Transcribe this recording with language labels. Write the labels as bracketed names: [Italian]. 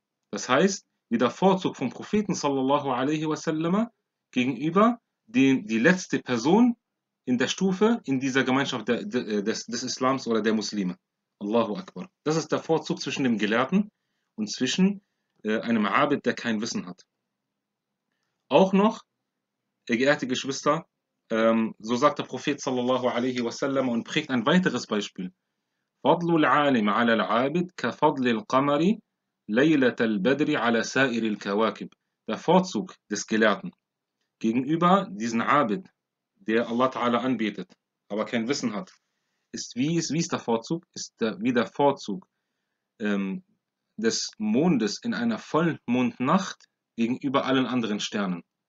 [German] Das heißt, wie der Vorzug vom Propheten sallallahu alaihi wasallam gegenüber die letzte Person in der Stufe in dieser Gemeinschaft des Islams oder der Muslime. Allahu Akbar. Das ist der Vorzug zwischen dem Gelehrten und zwischen einem Abid, der kein Wissen hat. Auch noch, geehrte Geschwister, so sagt der Prophet sallallahu alaihi wasallam und prägt ein weiteres Beispiel. [Arabic] فضل العالم على العابد كفضل القمر ليلة البدر على سائر الكواكب. [German] Der Vorzug des Gelehrten gegenüber diesem Abid, der Allah Ta'ala anbetet, aber kein Wissen hat, ist der Vorzug? Wie der Vorzug des Mondes in einer Vollmondnacht gegenüber allen anderen Sternen.